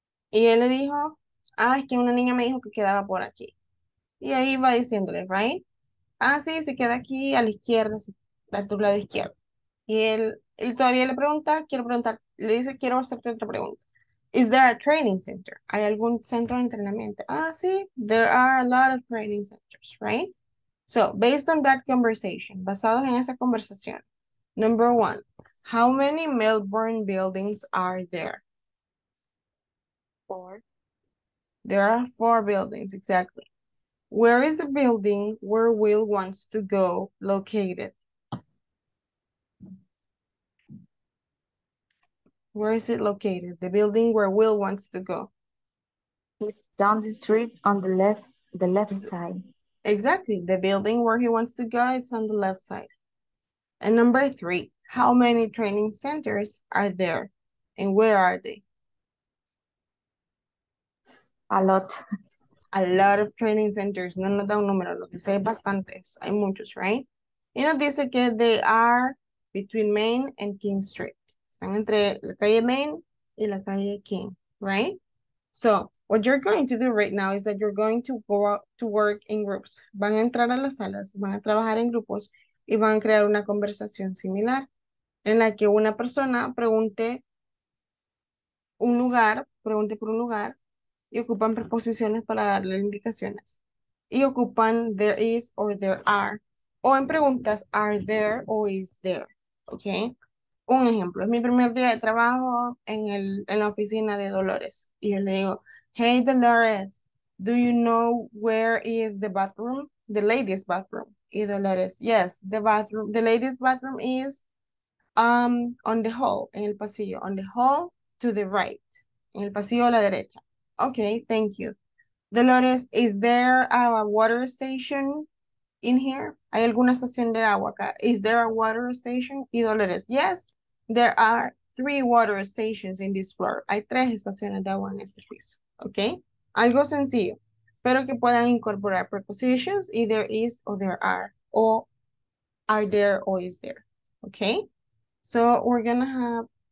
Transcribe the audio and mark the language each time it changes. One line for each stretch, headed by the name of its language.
Spanish: Y él le dijo, es que una niña me dijo que quedaba por aquí. Y ahí va diciéndole,
English: right?
Spanish: Sí, se queda aquí a la izquierda, a tu lado izquierdo. Y él todavía le pregunta, le dice, quiero hacerte otra pregunta.
English: Is there a training center?
Spanish: ¿Hay algún centro de entrenamiento? Sí,
English: there are a lot of training centers, right? So, based on that conversation,
Spanish: basado en esa conversación,
English: number one, how many Melbourne buildings are there? Four. There are four buildings, exactly. Where is the building where Will wants to go located? Where is it located? The building where Will wants to go. Down the street on the left side. Exactly. The building where he wants to go, it's on the left side. And number three, how many training centers are there and where are they? A lot. A lot of training centers.
Spanish: No nos da un número, lo que sea, bastantes. Hay muchos,
English: right?
Spanish: Y nos dice que
English: they are between Main and King Street.
Spanish: Están entre la calle Main y la calle King, right?
English: So, what you're going to do right now is that you're going to go out to work in groups.
Spanish: Van a entrar a las salas, van a trabajar en grupos y van a crear una conversación similar en la que una persona pregunte por un lugar y ocupan preposiciones para darle indicaciones. Y ocupan
English: there is or there are.
Spanish: O en preguntas,
English: are there or is there, okay?
Spanish: Un ejemplo, es mi primer día de trabajo en la oficina de Dolores. Y yo le digo,
English: hey Dolores, do you know where is the bathroom? The ladies bathroom.
Spanish: Y Dolores,
English: yes, the bathroom, the ladies bathroom is on the hall,
Spanish: en el pasillo.
English: On the hall to the right.
Spanish: En el pasillo a la derecha.
English: Okay, thank you. Dolores, is there a water station in here?
Spanish: ¿Hay alguna estación de agua acá?
English: Is there a water station?
Spanish: Y Dolores,
English: yes, there are three water stations in this floor.
Spanish: Hay tres estaciones de agua en este piso. ¿Ok? Algo sencillo, pero que puedan incorporar
English: prepositions, either is or there are, or are there or is there. ¿Ok? So, we're gonna have...